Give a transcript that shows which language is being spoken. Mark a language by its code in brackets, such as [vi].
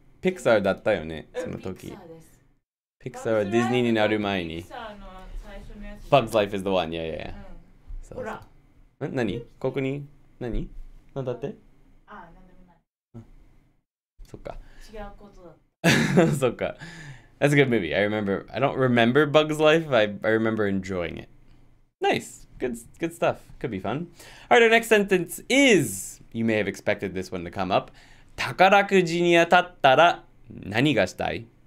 [ja] ピクサーだったよね、その時。ピクサーです。ピクサーはディズニーになる前に。 [en] Bug's Life is the one, yeah, yeah, yeah. [ja] ほら。ん?何?ここに?何?何だって? そっか。違うことだった。そっか。 [en] That's a good movie. I don't remember Bug's Life, but I remember enjoying it. Nice. Good stuff. Could be fun. Alright, our next sentence is, you may have expected this one to come up. [ja] 宝くじに当たったら何がしたい?